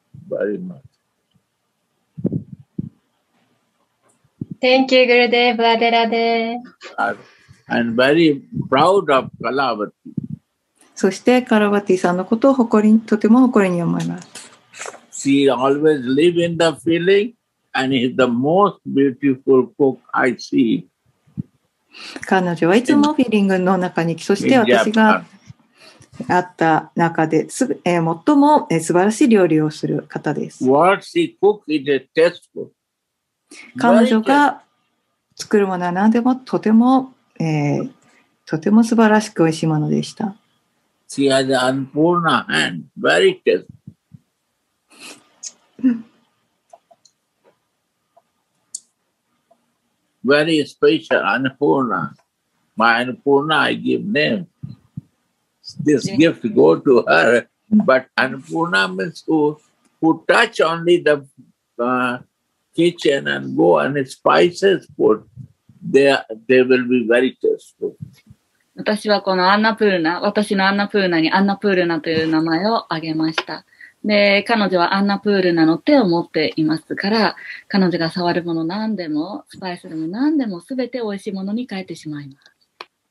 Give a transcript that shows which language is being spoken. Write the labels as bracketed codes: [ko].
[en] Very much. Thank you, Gurudev, Radhe. And very proud of Kalavati. [ja] そしてカラバティさんのことを誇りに、とても誇りに思います。 [en] She always live in the feeling, and is the most beautiful cook I see. [ja] 彼女はいつもフィーリングの中に、そして私が会った中で、最も素晴らしい料理をする方です。 [en] What she cook is a test cook. [ja] 彼女が作るものは何でもとても、とても素晴らしく美味しいものでした。 [en] She has an Annapurna hand, very tasty. Very special Annapurna. My Annapurna, I give name. This gift go to her. But Annapurna means who touch only the、kitchen and go and spices put there, they will be very tasteful. [ja] 私はこのアンナプルナ、私のアンナプルナにアンナプルナという名前をあげました。で、彼女はアンナプルナの手を持っていますから、彼女が触るもの何でも、スパイスでも何でも、すべて美味しいものに変えてしまいます。